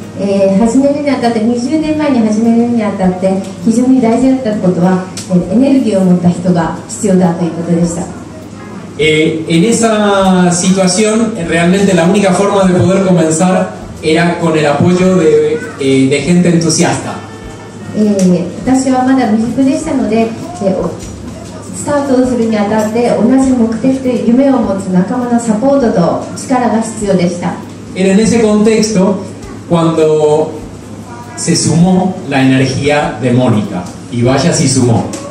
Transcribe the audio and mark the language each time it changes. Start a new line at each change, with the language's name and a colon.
Japanese: 始めるにあたって20年前に始めるにあたって非常に大事だったことは、エネルギーを持った人が必要だということでした。
Spanish: En esa situación, realmente la única forma de poder comenzar era con el apoyo de gente entusiasta.
Japanese: 私はまだ未熟でしたので、スタートするにあたって同じ目的で夢を持つ仲間のサポートと力が必要でした。
Spanish: En ese contextoCuando se sumó la energía de Mónica, y vaya si sumó.